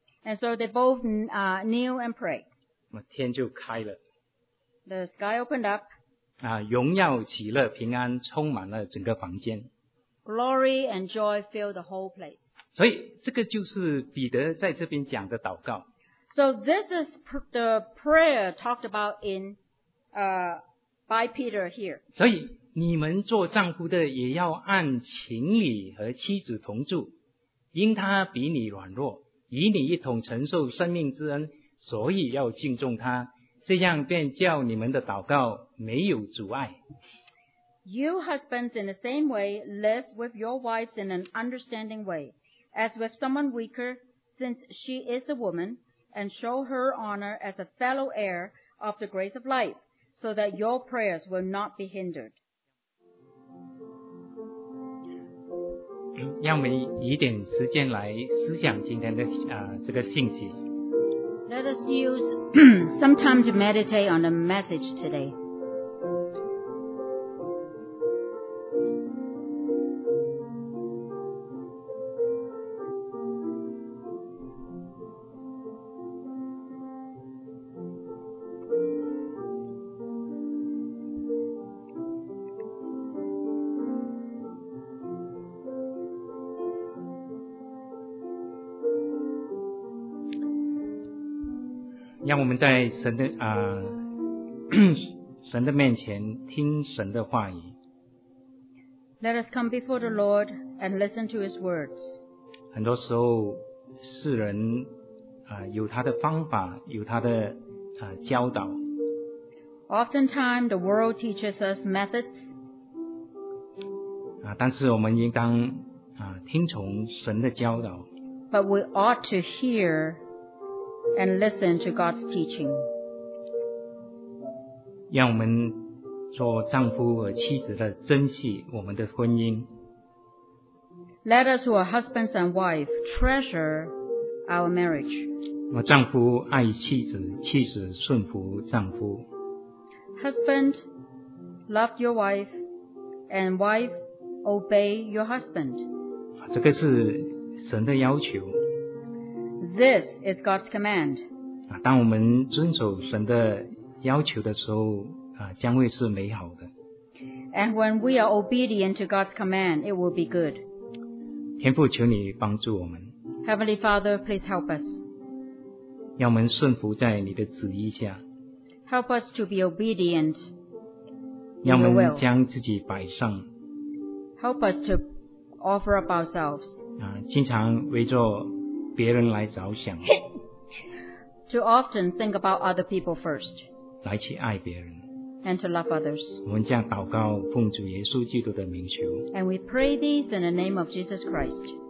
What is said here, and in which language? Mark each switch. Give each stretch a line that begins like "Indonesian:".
English: And so they both kneel and pray.
Chinese: 天就开了。
English: The sky opened up.
Chinese: 荣耀、喜乐、平安充满了整个房间。
English: Glory and joy filled the whole place.
Chinese: 所以这个就是彼得在这边讲的祷告。
English: So this is the prayer talked about by Peter here.
Chinese: 所以你们做丈夫的也要按情理和妻子同住，因他比你软弱，与你一同承受生命之恩，所以要敬重他，这样便叫你们的祷告没有阻碍。
English: You husbands in the same way live with your wives in an understanding way, as with someone weaker, since she is a woman, and show her honor as a fellow heir of the grace of life. So that your prayers will not be hindered.
Chinese: 让我们以点时间来思想今天的这个信息。
English: Let us use some time to meditate on the message today.
Chinese: 让我们在神的面前听神的话语。
English: Let us come before the Lord and listen to His words.
Chinese: 很多时候世人有他的方法，有他的教导。
English: Oftentimes the world teaches us methods.
Chinese: 但是我们应当听从神的教导。
English: But we ought to hearAnd listen to God's teaching.
Chinese: 让我们做丈夫和妻子的珍惜我们的婚姻。
English: Let us, who are husbands and wife, treasure our marriage.
Chinese: 我丈夫爱妻子，妻子顺服丈夫。
English: Husband, love your wife, and wife, obey your husband.
Chinese: 这个是神的要求。
English: This is God's command.
Chinese: 当我们遵守神的要求的时候将会是美好的。
English: And when we are obedient to God's command, it will be good.
Chinese: 天父求你帮助我们。
English: Heavenly Father, please help us.
Chinese: 让我们顺服在你的旨意下。
English: Help us to be obedient.
Chinese: 让我们将自己摆上。
English: Help us to offer up ourselves.
Chinese: 经常为着别人来着想。
English: To often think about other people first.
Chinese: 来去爱别人。
English: And to love others.
Chinese: 我们这样祷告，奉主耶稣基督的名求。
English: And we pray these in the name of Jesus Christ.